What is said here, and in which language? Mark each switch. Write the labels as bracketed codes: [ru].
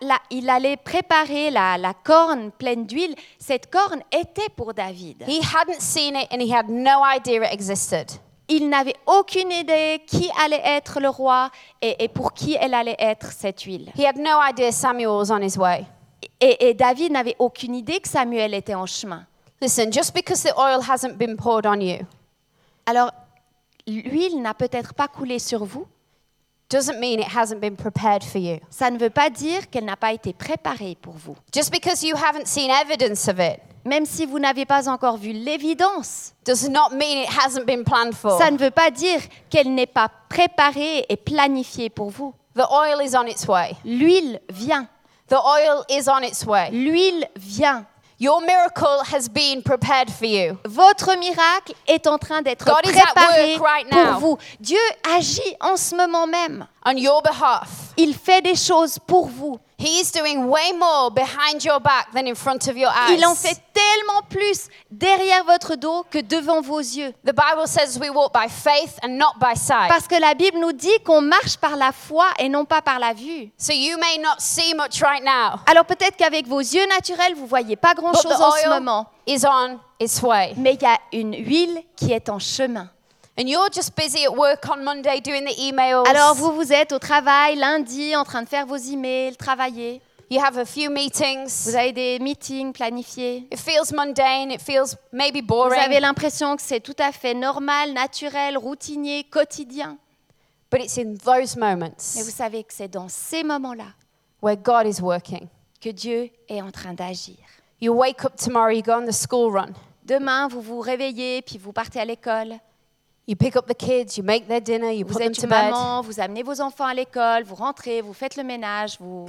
[fr] Il allait préparer la corne pleine d'huile. Cette corne était pour David. [en] He hadn't seen it and he had no idea it existed. [fr] Il n'avait aucune idée qui allait être le roi et pour qui elle allait être cette huile. [en] He had no idea Samuel was on his way. [fr] Et David n'avait aucune idée que Samuel était en chemin. [en] Listen, just because the oil hasn't been poured on you. [fr] Alors, l'huile n'a peut-être pas coulé sur vous. [en] Doesn't mean it hasn't been prepared for you. [fr] Ça ne veut pas dire qu'elle n'a pas été préparée pour vous. [en] Just because you haven't seen evidence of it. [fr] Même si vous n'avez pas encore vu l'évidence. [en] Does not mean it hasn't been planned for. [fr] Ça ne veut pas dire qu'elle n'est pas préparée et planifiée pour vous. [en] The oil is on its way. [fr] L'huile vient. [en] The oil is on its way. [fr] L'huile vient. [en] Your miracle has been prepared for you. [fr] Votre miracle est en train d'être [en] God [fr] préparé [en] right [fr] pour vous. Dieu agit en ce moment même. [en] On your behalf. [fr] Il fait des choses pour vous. [en] He is doing way more behind your back than in front of your eyes. [fr] Il en fait tellement plus derrière votre dos que devant vos yeux. [en] The Bible says we walk by faith and not by sight. [fr] Parce que la Bible nous dit qu'on marche par la foi et non pas par la vue. [en] So you may not see much right now. [fr] Alors peut-être qu'avec vos yeux naturels, vous voyez pas grand-chose en ce moment. [en] But the oil is on its way. [fr] Mais il y a une huile qui est en chemin. [en] And you're just busy at work on Monday doing the emails. [fr] Alors vous êtes au travail lundi en train de faire vos emails, travailler. [en] You have a few meetings. [fr] Vous avez des meetings planifiés. [en] It feels mundane, it feels maybe boring. [fr] Vous avez l'impression que c'est tout à fait normal, naturel, routinier, quotidien. [en] But it's in those moments. [fr] Mais vous savez que c'est dans ces moments-là [en] where God is working. [fr] Que Dieu est en train d'agir. [en] You wake up tomorrow, you go on the school run. [fr] Demain, vous vous réveillez puis vous partez à l'école. [en] You pick up the kids, you make their dinner, you [fr] vous [en] put them to [fr] maman, [en] bed. [fr] Vous êtes maman, vous amenez vos enfants à l'école, vous rentrez, vous faites le ménage, vous